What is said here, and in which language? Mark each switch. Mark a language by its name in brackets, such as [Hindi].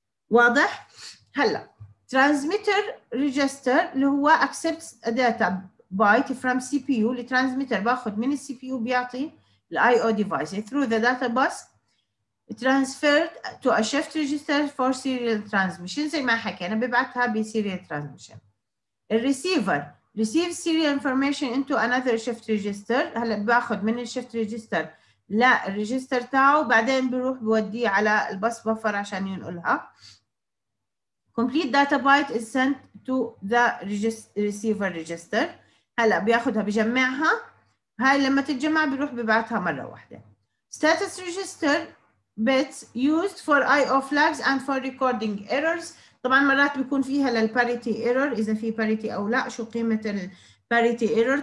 [Arabic] واضح؟ هلا [English] transmitter register اللي هو accept data byte from C P U, [Arabic] الترانسميتر باخذ من السي بي يو بيعطي الاي او ديفايس [English] through the data pass transferred to a shift register for serial transmission, [Arabic] زي ما حكينا ببعثها بسيريال ترانسميشن. [English] الريسيفر receive serial information into another shift register, [Arabic] هلا باخذ من الشيفت ريجستر للريجستر تاعه، وبعدين بروح بوديه على الباس بفر عشان ينقلها. [English] Complete data byte is sent to the receiver register. [Arabic] هلا بياخذها بجمعها، هاي لما تتجمع بيروح ببعثها مره واحده. [English] Status register bits used for IO flags and for recording errors. [Arabic] طبعا مرات بيكون فيها للparity error، اذا في parity او لا، شو قيمه الparity error.